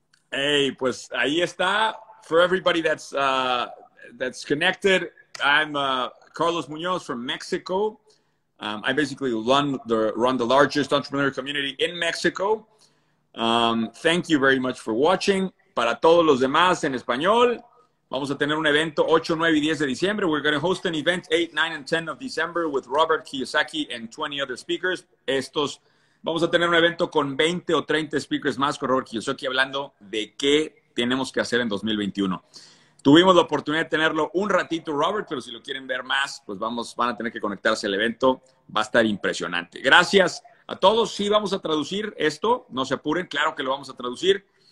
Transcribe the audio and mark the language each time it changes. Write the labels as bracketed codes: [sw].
[es] Hey, pues ahí está. [en] For everybody that's connected, I'm Carlos Muñoz from Mexico. I basically run the largest entrepreneur community in Mexico. Thank you very much for watching. [es] Para todos los demás en español, vamos a tener un evento 8, 9 y 10 de diciembre. [en] We're going to host an event 8, 9 and 10 of December with Robert Kiyosaki and 20 other speakers. [es] Vamos a tener un evento con 20 o 30 speakers más con Robert Kiyosaki, hablando de qué tenemos que hacer en 2021. Tuvimos la oportunidad de tenerlo un ratito, Robert, pero si lo quieren ver más, pues van a tener que conectarse al evento. Va a estar impresionante. Gracias a todos. Sí, vamos a traducir esto, no se apuren, claro que lo vamos a traducir.